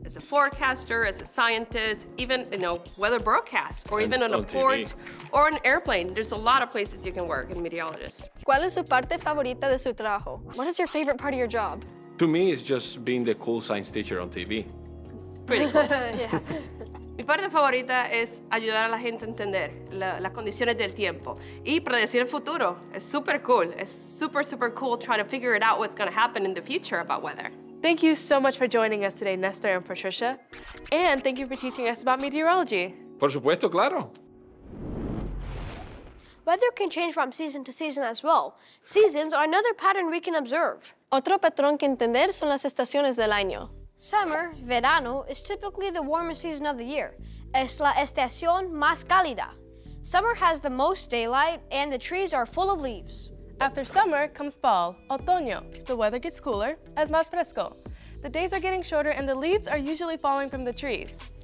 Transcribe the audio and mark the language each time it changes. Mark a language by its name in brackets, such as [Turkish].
[English] As a forecaster, as a scientist, even, you know, weather broadcast, or and even on a TV. Port or an airplane. There's a lot of places you can work as a meteorologist. [Spanish] ¿Cuál es su parte favorita de su trabajo? [English] What is your favorite part of your job? To me, it's just being the cool science teacher on TV. Pretty cool. Yeah. [Spanish] Mi parte favorita es ayudar a la gente a entender las condiciones del tiempo y predecir el futuro. Es super cool. Es super, super [English] cool trying to figure it out what's going to happen in the future about weather. Thank you so much for joining us today, Nestor and Patricia. And thank you for teaching us about meteorology. [Spanish] Por supuesto, claro. [English] Weather can change from season to season as well. Seasons are another pattern we can observe. [Spanish] Otro patrón que entender son las estaciones del año. [English] Summer, verano, is typically the warmest season of the year. [Spanish] Es la estación más cálida. [English] Summer has the most daylight and the trees are full of leaves. After summer comes fall, otoño. The weather gets cooler, [Spanish] es más fresco. [English] The days are getting shorter and the leaves are usually falling from the trees.